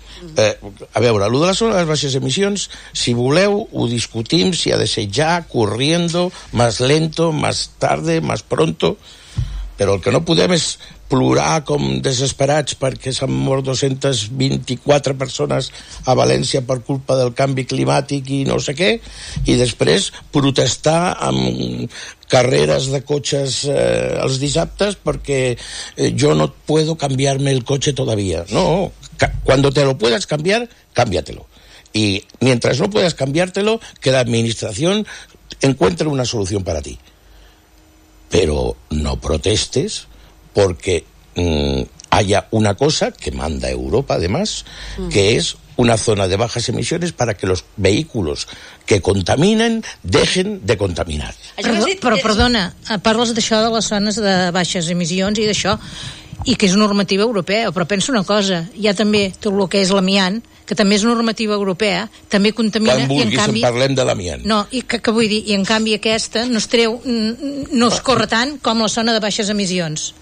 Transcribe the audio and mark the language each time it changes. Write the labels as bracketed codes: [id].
[ca] A veure, allò de la zona de baixes emissions, si voleu, ho discutim, si ha de ser ja, [es] corriendo, más lento, más tarde, más pronto, [ca] però el que no podem és plorar com desesperats perquè s'han mort 224 persones a València per culpa del canvi climàtic i no sé què, i després protestar amb carreres de cotxes els dissabtes perquè jo [es] no puedo cambiarme el coche todavía. No, cuando te lo puedas cambiar, cámbiatelo. Y mientras no puedas cambiártelo, que la administración encuentre una solución para ti. Pero no protestes porque haya una cosa que manda Europa, además, que es una zona de bajas emisiones para que los vehículos que contaminen dejen de contaminar. [ca] Però perdona, parles d'això de les zones de baixes emissions i d'això, i que és normativa europea, però penso una cosa, hi ha també tot el que és l'amiant, que també és normativa europea, també contamina... Quan vulguis, en parlem de l'amiant. No, i que vull dir, i en canvi aquesta no es treu, no es corre tant com la zona de baixes emissions.